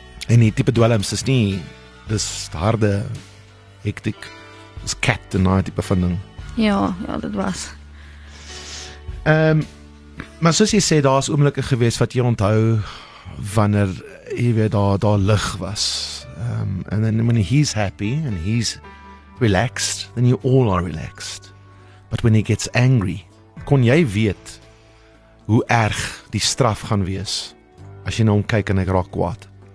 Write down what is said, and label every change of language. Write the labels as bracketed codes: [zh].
[af] En die type dwelms is nie, dis harde, hektiek, dis kat en die type van ding. Ja, dit was. Maar soos jy sê, daar is oomblikke gewees wat jy onthou, wanneer jy weet daar lig was. [en] And then when he's happy and he's relaxed, then you all are relaxed. But when he gets angry, [af] kon jy weet hoe erg die straf gaan wees, as jy na hom kyk en ek raak kwaad.